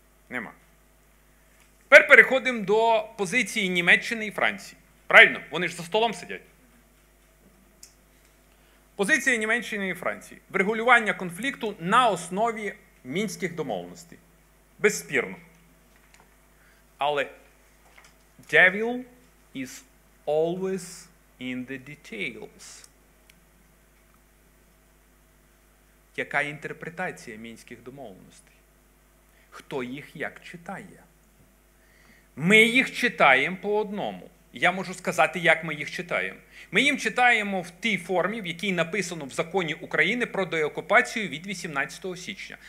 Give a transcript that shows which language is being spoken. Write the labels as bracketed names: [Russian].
[Ukrainian] Нема. Тепер переходимо до позиції Німеччини і Франції. Правильно? Вони ж за столом сидять. Позиція Німеччини і Франції. Врегулювання конфлікту на основі мінських домовленостей. Безспірно. Але [English] devil is always in the details. [Ukrainian] Яка інтерпретація мінських домовленостей? Хто їх як читає? Ми їх читаємо по одному. Я можу сказати, як ми їх читаємо. Ми їм читаємо в тій формі, в якій написано в законі України про деокупацію від 18 січня.